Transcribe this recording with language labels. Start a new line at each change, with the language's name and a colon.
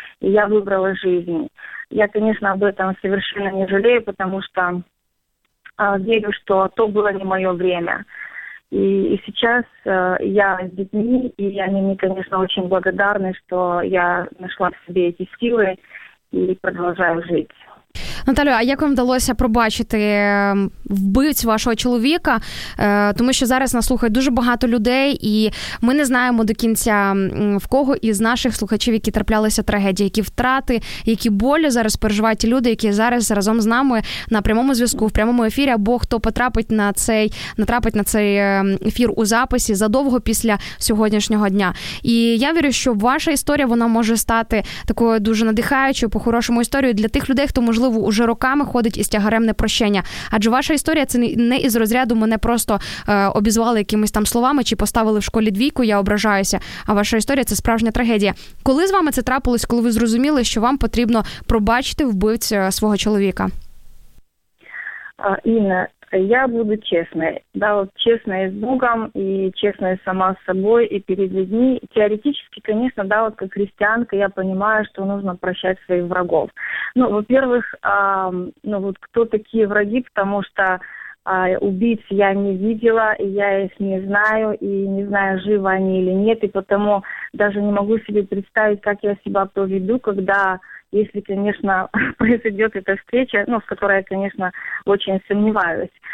Russian: И я выбрала жизнь. Я, конечно, об этом совершенно не жалею, потому что верю, что то было не мое время. И сейчас я с детьми, и они мне, конечно, очень благодарны, что я нашла в себе эти силы и продолжаю жить.
Ukrainian: Наталю, а як вам вдалося пробачити вбивць вашого чоловіка? Тому що зараз нас слухає дуже багато людей, і ми не знаємо до кінця, в кого із наших слухачів, які траплялися трагедії, які втрати, які болі зараз переживають ті люди, які зараз разом з нами на прямому зв'язку, в прямому ефірі, або хто потрапить на цей ефір у записі задовго після сьогоднішнього дня. І я вірю, що ваша історія, вона може стати такою дуже надихаючою, по-хорошому історією для тих людей, хто, можливо, уже роками ходить із тягарем непрощення. Адже ваша історія – це не із розряду мене просто обізвали якимись там словами чи поставили в школі двійку, я ображаюся. А ваша історія – це справжня трагедія. Коли з вами це трапилось, коли ви зрозуміли, що вам потрібно пробачити вбивць свого чоловіка? Інна, я буду чесна. Да, чесна з Богом і чесна сама з собою і перед людьми. Теоретично, звісно, да, от як християнка, я розумію, що потрібно прощати своїх ворогів.
Russian: Ну, во-первых, ну вот кто такие враги, потому что убийц я не видела, и я их не знаю, и не знаю, живы они или нет, и потому даже не могу себе представить, как я себя поведу, когда, если, конечно, произойдет эта встреча, ну, в которой я, конечно, очень сомневаюсь.